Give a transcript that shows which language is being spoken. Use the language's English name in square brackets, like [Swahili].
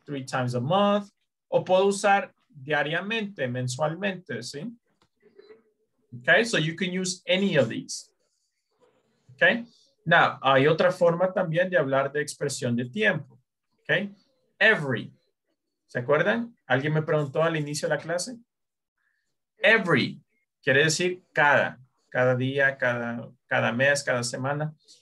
[English] Three times a month, [Spanish] o puedo usar diariamente, mensualmente, ¿sí? [English] Okay, so you can use any of these, okay? [Spanish] Now, hay otra forma también de hablar de expresión de tiempo, okay? Every. ¿Se acuerdan? ¿Alguien me preguntó al inicio de la clase? Every quiere decir cada día, cada mes, cada semana.